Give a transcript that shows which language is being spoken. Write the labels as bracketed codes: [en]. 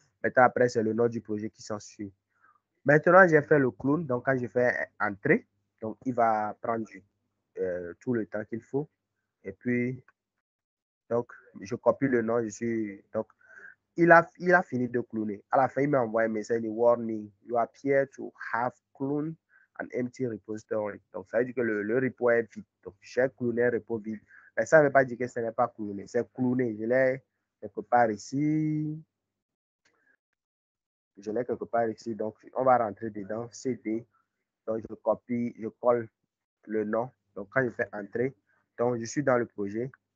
[fr] Maintenant, après, c'est le nom du projet qui s'ensuit. Maintenant, j'ai fait le clone. Donc, quand je fais entrer, donc, il va prendre tout le temps qu'il faut. Et puis, donc, je copie le nom, je suis. Donc, il a fini de cloner. À la fin, il m'a envoyé un message de warning. [en] You appear to have cloned an empty repository. [fr] Donc, ça veut dire que le repo est vide. Donc, j'ai cloné un repo vide. Mais ça ne veut pas dire que ce n'est pas cloné. C'est cloné. Je l'ai quelque part ici. Je l'ai quelque part ici. Donc, on va rentrer dedans. CD. Donc, je copie, je colle le nom. Donc, quand je fais entrer, donc, je suis dans le projet.